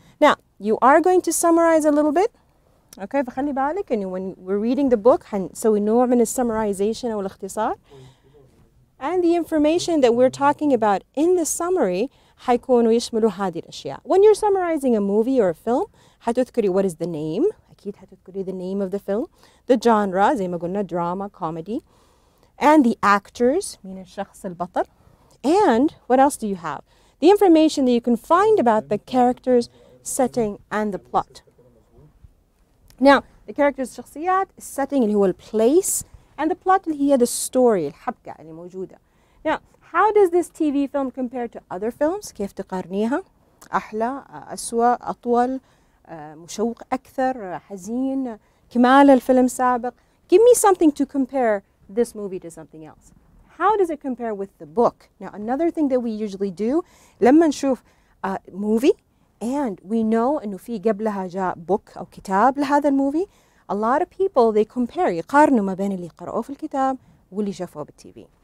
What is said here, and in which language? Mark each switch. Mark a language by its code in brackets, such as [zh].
[en] Now, you are going to summarize a little bit. [ar] Okay, فخلي بالك إنه [en] when we're reading the book, [ar] حنسوي نوع من الـ summarization أو الاختصار. [en] And the information that we're talking about in the summary [ar] حيكون ويشملوا هذه الأشياء. [en] When you're summarizing a movie or a film, [ar] حتذكري [en] what is the name. [ar] أكيد حتذكري [en] the name of the film. The genre, [ar] زي ما قلنا, [en] drama, comedy. And the actors, [ar] مين الشخص البطل. [en] And what else do you have? The information that you can find about the characters, setting, and the plot. Now, the characters, [ar] الشخصيات, [en] setting, اللي هو the place, and the plot, اللي هي the story, [ar] الحبكة اللي موجودة. [en] Now, how does this TV film compare to other films? [ar] كيف تقارنيها؟ أحلى, أسوأ, أطول, مشوق أكثر, حزين, كمال الفيلم سابق. [en] Give me something to compare this movie to something else. How does it compare with the book? Now, another thing that we usually do, [ar] لما نشوف [en] a movie, and we know [ar] إنه في قبلها جاء [en] book [ar] أو كتاب لهذا الموفي. [en] A lot of people they compare [ar] يقارنوا ما بين اللي قرأوه في الكتاب واللي شافوه بالTV.